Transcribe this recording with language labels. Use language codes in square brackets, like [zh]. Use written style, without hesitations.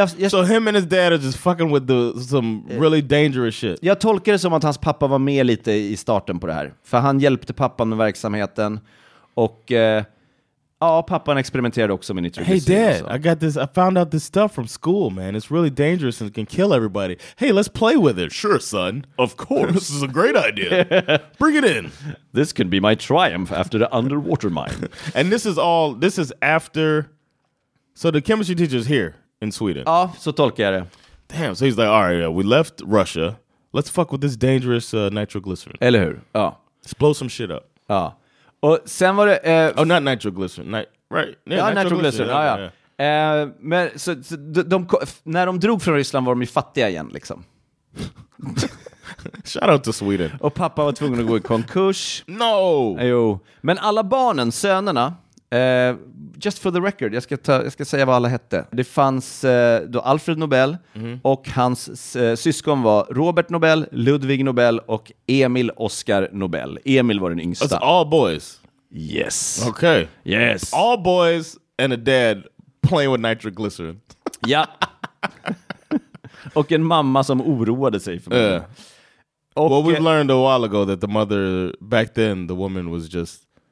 [en] So him and his dad are just fucking with the some really dangerous shit. [sv] Jag tolkar det som att hans pappa var med lite i starten på det här. För han hjälpte pappan med verksamheten. Och ja, pappan experimenterade också med nitroglycerin. [en] Hey dad, I got this. I found out this stuff from school, man. It's really dangerous and can kill everybody. Hey, let's play with it. Sure, son. Of course. This is a great idea. Bring it in. This can be my triumph after the underwater mine. And this is after... So the chemistry teacher's here. In Sweden. [sv] Ja, så tolkar jag det. [en] Damn, so he's like, all right, yeah, we left Russia. Let's fuck with this dangerous nitroglycerin. [sv] Eller hur? Ja. [en] Let's blow some shit up. [sv] Ja. Och sen var det... [en] Oh, not nitroglycerin. Right. [sv] Yeah, ja, nitroglycerin. Ja, ja. Men så, när de drog från Ryssland var de ju fattiga igen, liksom. [en] Shout out to Sweden. [sv] Och pappa var tvungen att gå i konkurs. [en] No! [sv] Jo. Men alla barnen, sönerna... [en] just for the record, [sv] jag ska säga vad alla hette. Det fanns då Alfred Nobel och hans syskon var Robert Nobel, Ludvig Nobel och Emil Oscar Nobel. Emil var den yngsta. [en] It's all boys. Yes. Okay. Yes. All boys and a dad playing with nitroglycerin. [sv] Ja. Och en mamma som oroade sig för mig. [en] Well, we've learned a while ago that the mother back then, the woman was just...